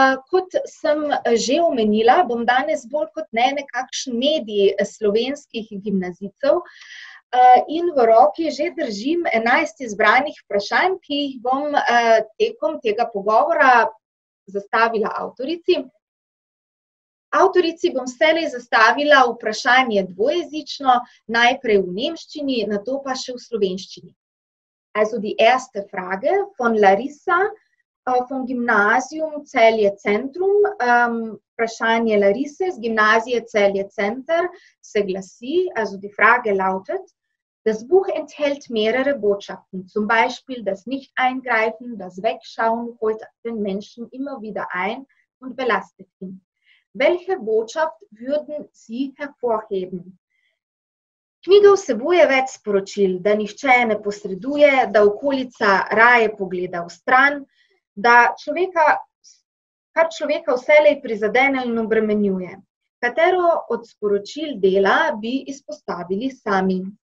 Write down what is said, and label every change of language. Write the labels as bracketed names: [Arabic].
[Slovenian] Kot sem že omenila, bom danes bolj kot ne nekakšen medij slovenskih gimnazicev in v roki že držim 11 izbranih vprašanj, ki jih bom tekom tega pogovora zastavila avtorici. Avtorici bom vselej zastavila vprašanje dvojezično, najprej v nemščini, nato pa še v slovenščini. [German] Also die erste Frage von Larissa vom Gymnasium Celje Centrum. [Slovenian] Vprašanje Larisse z Gymnasie Celje Center se glasi, [German] also die Frage lautet, das Buch enthält mehrere Botschaften, zum Beispiel das Nicht-Eingreifen, das Wegschauen holt den Menschen immer wieder ein und belastet ihn. Welche Botschaft würden Sie hervorheben? [Slovenian] Knjiga vsebuje več sporočil, da nihče ne posreduje, da okolica raje pogleda v stran, da človeka, kar človeka vselej prizadene in obremenjuje. Katero od sporočil dela bi izpostavili sami?